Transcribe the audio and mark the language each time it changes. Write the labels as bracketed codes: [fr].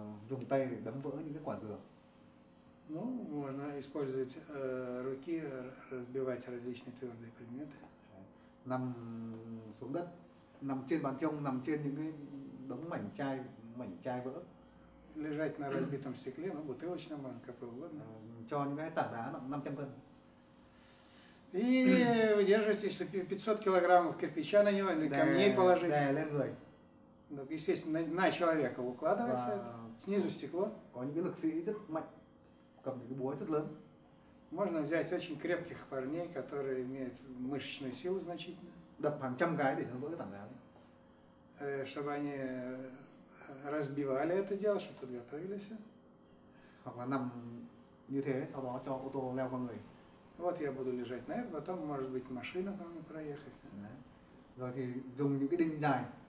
[vi] Dùng tay đấm vỡ những cái quả dừa. [ru] Ну, можно использовать руки, разбивать различные твердые предметы. [vi] Nằm xuống đất, nằm trên bàn trông, nằm trên những cái đống mảnh chai vỡ. [ru] Лежать на разбитом стекле, ну, бутылочном, можно какой угодно. [vi] Cho những cái tảng đá, 500 cân. [ru] И выдерживать, если 500 килограммов кирпича на него, или камней положить. [vi] Да, lên người. [ru] Ну, естественно, на человека укладывается, снизу стекло. [vi] Có những cái lực sĩ rất mạnh, cầm những cái búa rất lớn. [ru] Можно взять очень крепких парней, которые имеют мышечную силу значительно. [vi] Đập hàng trăm cái để nó vỡ cái tảng đá. [ru] Чтобы они разбивали это дело, чтобы подготовились. [vi] Hoặc là nằm như thế, sau đó cho ô tô leo qua người. [ru] Вот я буду лежать на это, потом может быть машина по мне проехать. Да. [vi] Rồi thì dùng những cái đinh dài.